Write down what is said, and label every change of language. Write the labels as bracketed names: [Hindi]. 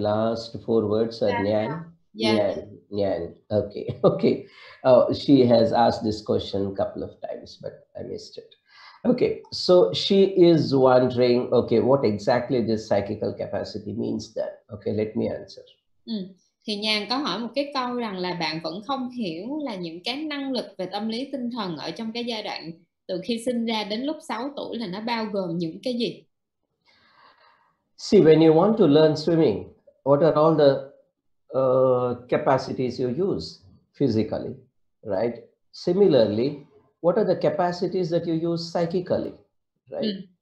[English] Last four words are Nyan. Yeah. Nyan. Okay. Oh, she has asked this question a couple of times, but I missed it. Okay, so she is wondering, okay, what exactly this psychical capacity means then? Okay, let me answer. [Vietnamese] Thì Nhàn có hỏi một cái câu rằng là bạn vẫn không hiểu là những cái năng lực về tâm lý tinh thần ở trong cái giai đoạn từ khi sinh ra đến lúc 6 tuổi là nó bao gồm những cái gì? [English] See, when you want to learn swimming, what are all the capacities you use physically, right? Similarly, what are the capacities that you use psychically, right?